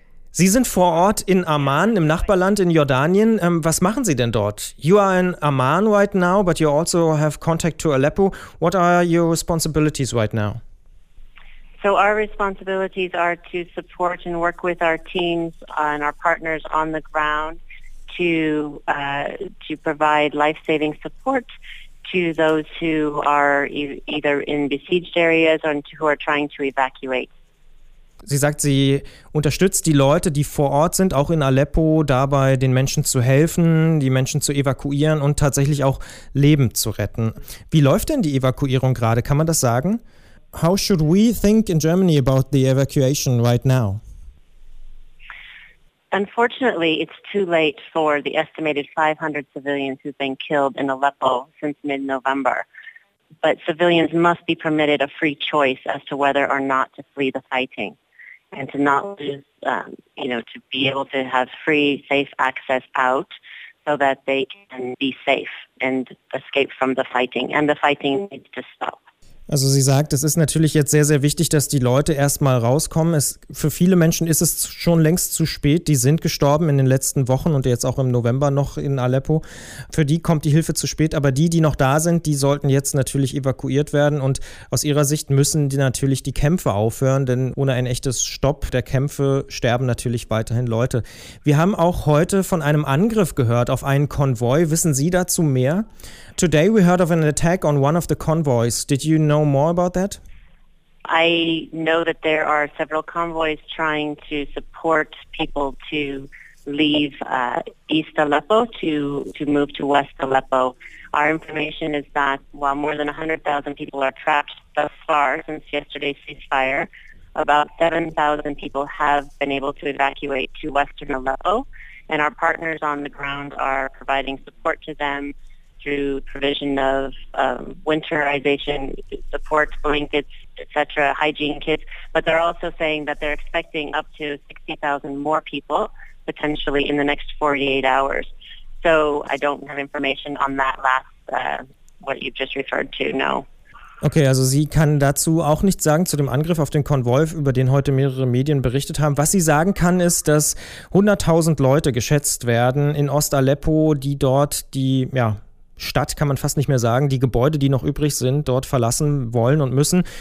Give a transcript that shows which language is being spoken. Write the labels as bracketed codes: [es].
[de] Sie sind vor Ort in Amman, im Nachbarland in Jordanien. Was machen Sie denn dort? [en] You are in Amman right now, but you also have contact to Aleppo. What are your responsibilities right now? So our responsibilities are to support and work with our teams and our partners on the ground to provide life-saving support to those who are either in besieged areas or who are trying to evacuate. [de] Sie sagt, sie unterstützt die Leute, die vor Ort sind, auch in Aleppo, dabei den Menschen zu helfen, die Menschen zu evakuieren und tatsächlich auch Leben zu retten. Wie läuft denn die Evakuierung gerade? Kann man das sagen? [en] How should we think in Germany about the evacuation right now? Unfortunately, it's too late for the estimated 500 civilians who've been killed in Aleppo since mid-November. But civilians must be permitted a free choice as to whether or not to flee the fighting. And to not lose, to be able to have free, safe access out so that they can be safe and escape from the fighting. And the fighting needs to stop. [de] Also sie sagt, es ist natürlich jetzt sehr, sehr wichtig, dass die Leute erstmal rauskommen. Für viele Menschen ist es schon längst zu spät. Die sind gestorben in den letzten Wochen und jetzt auch im November noch in Aleppo. Für die kommt die Hilfe zu spät. Aber die, die noch da sind, die sollten jetzt natürlich evakuiert werden. Und aus ihrer Sicht müssen die natürlich die Kämpfe aufhören, denn ohne ein echtes Stopp der Kämpfe sterben natürlich weiterhin Leute. Wir haben auch heute von einem Angriff gehört auf einen Konvoi. Wissen Sie dazu mehr? [en] Today we heard of an attack on one of the convoys. Did you know more about that? I know that there are several convoys trying to support people to leave East Aleppo to move to West Aleppo. Our information is that while more than 100,000 people are trapped thus far since yesterday's ceasefire, about 7,000 people have been able to evacuate to Western Aleppo, and our partners on the ground are providing support to them through provision of winterization support, blankets, etc., hygiene kits. But they're also saying that they're expecting up to 60,000 more people potentially in the next 48 hours. So I don't have information on that last, what you've just referred to, no. [de] Okay, also sie kann dazu auch nichts sagen, zu dem Angriff auf den Konvoi, über den heute mehrere Medien berichtet haben. Was sie sagen kann, ist, dass 100.000 Leute geschätzt werden in Ost-Aleppo, die dort Stadt kann man fast nicht mehr sagen, die Gebäude, die noch übrig sind, dort verlassen wollen und müssen.